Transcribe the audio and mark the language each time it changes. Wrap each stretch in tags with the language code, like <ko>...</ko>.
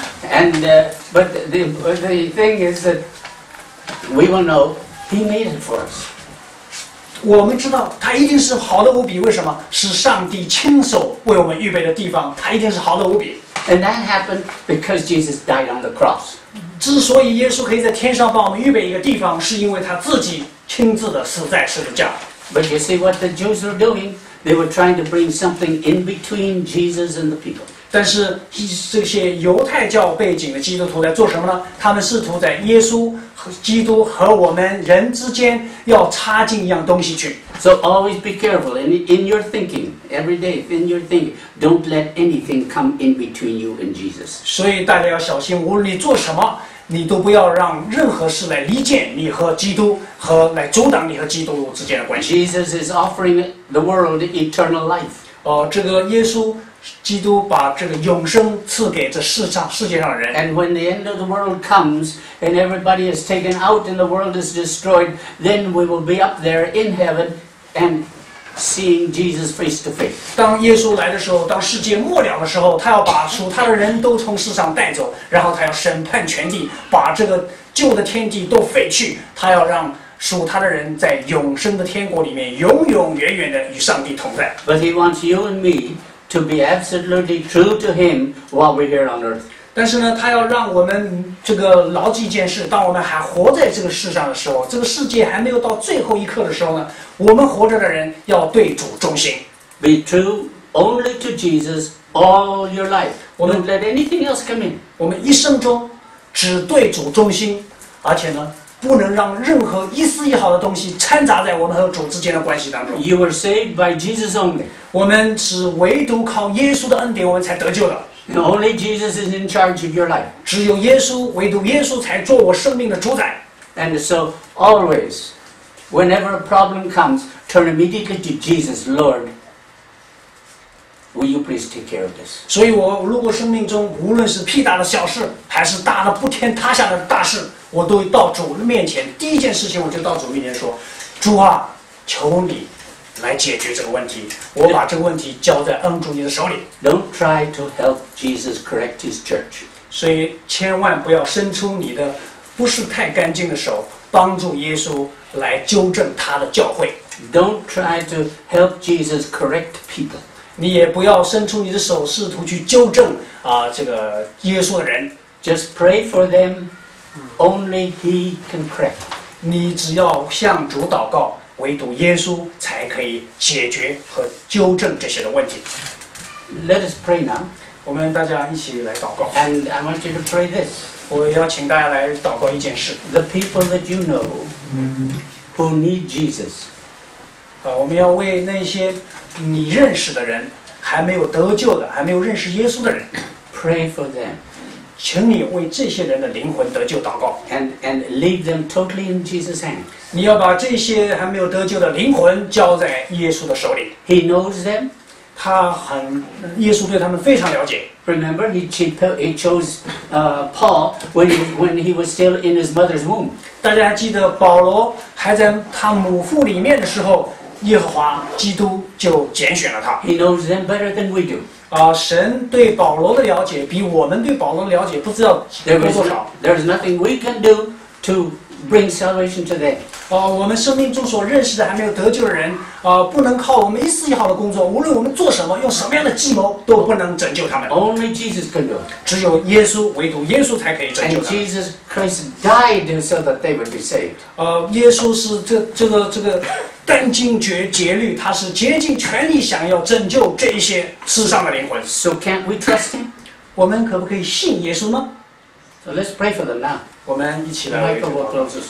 <en>And but the thing is that we will know he made it for us.</en> <zh>我们知道他一定是好的无比。为什么？是上帝亲手为我们预备的地方，他一定是好的无比。</zh> <en>And that happened because Jesus died on the cross.</en> <zh>之所以耶稣可以在天上帮我们预备一个地方，是因为他自己亲自的死在十字架。</zh> <en>But you see what the Jews were doing? They were trying to bring something in between Jesus and the people.</en> <zh>但是这些犹太教背景的基督徒在做什么呢？他们试图在耶稣和基督和我们人之间要插进一样东西去。</zh> <en>So always be careful in your thinking every day in your thinking. Don't let anything come in between you and Jesus.</en> <zh>所以大家要小心，无论你做什么，你都不要让任何事来离间你和基督和来阻挡你和基督之间的关系。</zh> <en>Jesus is offering the world eternal life.</en> <zh>这个耶稣基督把这个永生赐给这世界上人。</zh> <en>And when the end of the world comes and everybody is taken out and the world is destroyed, then we will be up there in heaven and seeing Jesus face to face.</en> <zh>当耶稣来的时候，当世界末了的时候，他要把属他的人都从世上带走，然后他要审判全地，把这个旧的天地都废去，他要让属他的人在永生的天国里面永永远远的与上帝同在。</zh> <en>But he wants you and me. To be absolutely true to Him while we're here on earth.</en> <zh>但是呢，他要让我们这个牢记一件事：当我们还活在这个世上的时候，这个世界还没有到最后一刻的时候呢，我们活着的人要对主忠心。</zh> <en>Be true only to Jesus all your life. Don't let anything else come in.</en> <zh>我们一生中只对主忠心，而且呢，不能让任何一丝一毫的东西掺杂在我们和主之间的关系当中。</zh> <en>You are saved by Jesus only.</en> <zh>我们只唯独靠耶稣的恩典，我们才得救的。</zh> <en>Only Jesus is in charge of your life.</en> <zh>只有耶稣，唯独耶稣才做我生命的主宰。</zh> <en>And so always, whenever a problem comes, turn immediately to Jesus, Lord. Will you please take care of this?</en> <zh>所以我如果生命中无论是屁大的小事，还是大的不天塌下的大事，我都到主面前，第一件事情我就到主面前说：“主啊，求你来解决这个问题。” 我把这个问题交在恩主你的手里。</zh> <en>Don't try to help Jesus correct his church.</en> <zh>所以千万不要伸出你的不是太干净的手，帮助耶稣来纠正他的教会。</zh> <en>Don't try to help Jesus correct people.</en> <zh>你也不要伸出你的手试图去纠正这个耶稣的人。</zh> <en>Just pray for them. Only He can correct.</en> <zh>你只要向主祷告，唯独耶稣才可以解决和纠正这些的问题。</zh> <en>Let us pray now.</en> <zh>我们大家一起来祷告。</zh> <en>And I want you to pray this.</en> <zh>我邀请大家来祷告一件事。</zh> <en>The people that you know who need Jesus.</en> <zh>我们要为那些你认识的人，还没有得救的，还没有认识耶稣的人</zh> <en>，pray for them.</en> <zh>请你为这些人的灵魂得救祷告</zh> <en>and leave them totally in Jesus' hands.</en> <zh>你要把这些还没有得救的灵魂交在耶稣的手里。</zh> <en>He knows them.</en> <zh>他很耶稣对他们非常了解。</zh> <en>Remember, he chose Paul when he was still in his mother's womb.</en> <zh>大家还记得保罗还在他母腹里面的时候，耶和华基督就拣选了他。</zh> <en>He knows them better than we do.</en> <zh>神对保罗的了解比我们对保罗的了解不知道有多少。</zh> <en>There is nothing we can do to bring salvation to them.</en> <zh>我们生命中所认识的还没有得救的人，不能靠我们一丝一毫的工作，无论我们做什么，用什么样的计谋，都不能拯救他们。</zh> <en>Only Jesus can do.</en> <zh>只有耶稣，唯独耶稣才可以拯救他们。</zh> <en>And Jesus Christ died so that they would be saved.</en> <zh>耶稣是这个。殚精竭虑，他是竭尽全力想要拯救这些世上的灵魂。</zh> <en>So can we trust him?</en> <zh>我们可不可以信耶稣呢</zh> <en>？So let's pray for them now.</en> <zh>我们一起来为这个祷告。</zh>